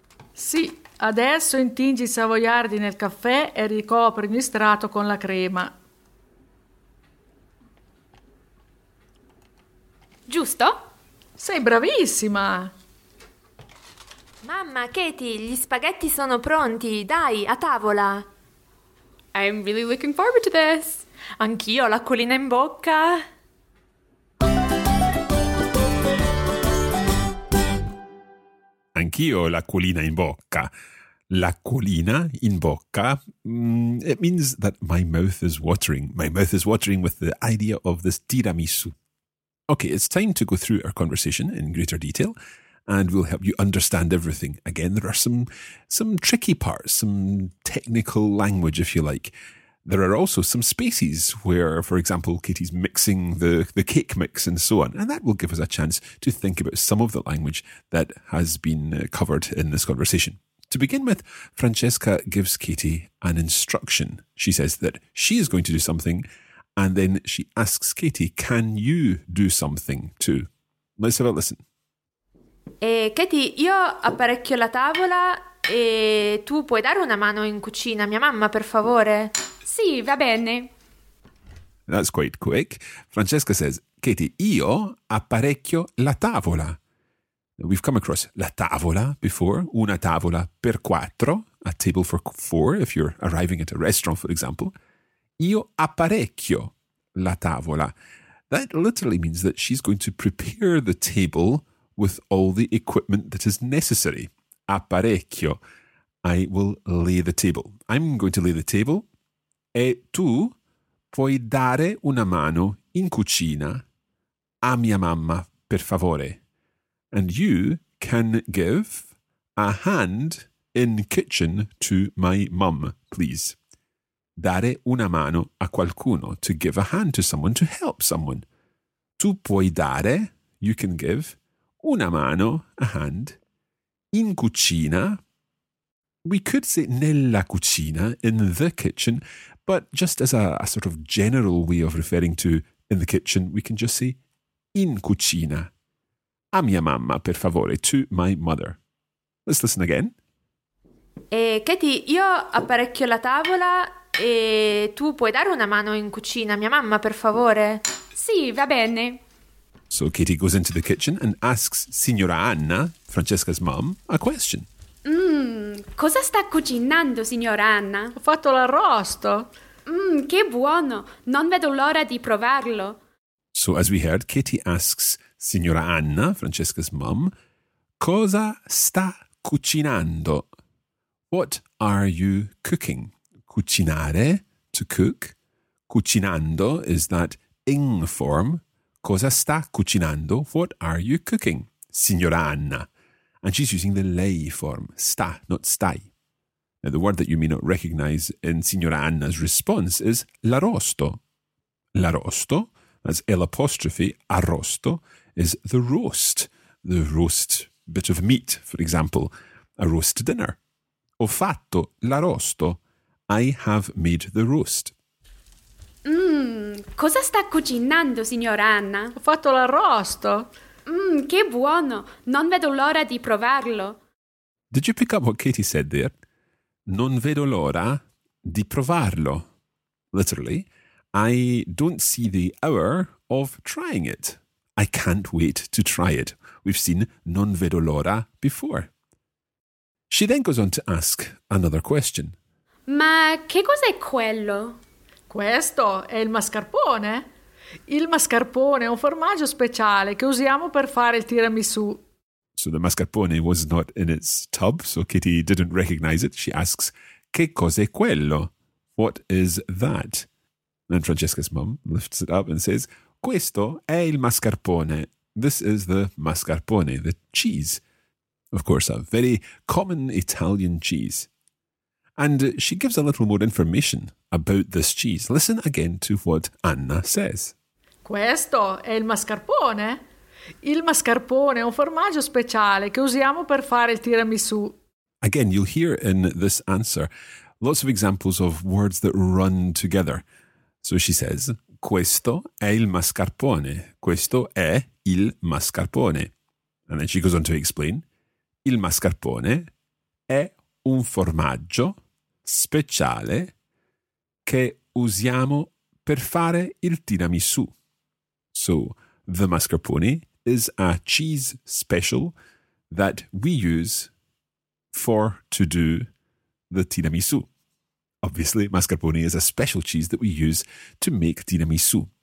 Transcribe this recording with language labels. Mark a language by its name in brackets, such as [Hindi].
[Italian] Sì, adesso intingi i savoiardi nel caffè e ricopri il strato con la crema. Giusto? Sei bravissima! Mamma, Katie, gli spaghetti sono pronti. Dai, a tavola. [English] I'm really looking forward to this. [Italian] Anch'io, ho l'acquolina in bocca. Anch'io, ho l'acquolina in bocca. L'acquolina in bocca. [English] It means that my mouth is watering. My mouth is watering with the idea of this tiramisu. Okay, it's time to go through our conversation in greater detail. And we'll help you understand everything. Again, there are some tricky parts, some technical language, if you like. There are also some spaces where, for example, Katie's mixing the cake mix and so on. And that will give us a chance to think about some of the language that has been covered in this conversation. To begin with, Francesca gives Katie an instruction. She says that she is going to do something, and then she asks Katie, can you do something too? Let's have a listen. [Italian] Katie, io apparecchio la tavola e tu puoi dare una mano in cucina a mia mamma, per favore? Sì, va bene. [English] That's quite quick. Francesca says, Katie, [Italian] io apparecchio la tavola. [English] We've come across la tavola before, [Italian] una tavola per quattro, [English] a table for four, if you're arriving at a restaurant, for example. [Italian] Io apparecchio la tavola. [English] That literally means that she's going to prepare the table with all the equipment that is necessary. Apparecchio. I will lay the table. I'm going to lay the table. [Italian] E tu puoi dare una mano in cucina a mia mamma, per favore. [English] And you can give a hand in kitchen to my mum, please. [Italian] Dare una mano a qualcuno, [English] to give a hand to someone, to help someone. [Italian] Tu puoi dare, [English] you can give, [Italian] una mano, [English] a hand, [Italian] in cucina. [English] We could say nella cucina, in the kitchen, but just as a sort of general way of referring to in the kitchen, we can just say in cucina. [Italian] A mia mamma, per favore, [English] to my mother. Let's listen again. [Italian] Katie, io apparecchio la tavola e tu puoi dare una mano in cucina a mia mamma, per favore? Sì, va bene. [English] So Katie goes into the kitchen and asks Signora Anna, Francesca's mom, a question. [Italian] Cosa sta cucinando, signora Anna? Ho fatto l'arrosto. Che buono! Non vedo l'ora di provarlo. [English] So as we heard, Katie asks Signora Anna, Francesca's mom, [Italian] cosa sta cucinando? [English] What are you cooking? Cucinare, to cook. Cucinando is that ing form. [Italian] Cosa sta cucinando? [English] What are you cooking? Signora Anna. And she's using the lei form, sta, not stai. Now, the word that you may not recognize in Signora Anna's response is l'arrosto. L'arrosto, that's L apostrophe, arrosto, is the roast bit of meat, for example, a roast dinner. [Italian] Ho fatto l'arrosto. [English] I have made the roast. [Italian] Cosa sta cucinando, signora Anna? Ho fatto l'arrosto. Che buono. Non vedo l'ora di provarlo. [English] Did you pick up what Katie said there? [Italian] Non vedo l'ora di provarlo. [English] Literally, I don't see the hour of trying it. I can't wait to try it. We've seen [Italian] non vedo l'ora [English] before. She then goes on to ask another question. [Italian] Ma che cos'è quello? Questo è il mascarpone. Il mascarpone è un formaggio speciale che usiamo per fare il tiramisù. [English] So the mascarpone was not in its tub, so Kitty didn't recognize it. She asks, [Italian] che cos'è quello? [English] What is that? And Francesca's mum lifts it up and says, [Italian] questo è il mascarpone. [English] This is the mascarpone, the cheese. Of course, a very common Italian cheese. And she gives a little more information about this cheese. Listen again to what Anna says. Questo è il mascarpone. Il mascarpone è un formaggio speciale che usiamo per fare il tiramisù. Again, you'll hear in this answer lots of examples of words that run together. So she says, [Italian] questo è il mascarpone. Questo è il mascarpone. [English] And then she goes on to explain, [Italian] il mascarpone è un formaggio speciale che usiamo per fare il tiramisù. [English] So, the mascarpone is a cheese special that we use for to do the tiramisù. Obviously, mascarpone is a special cheese that we use to make tiramisù.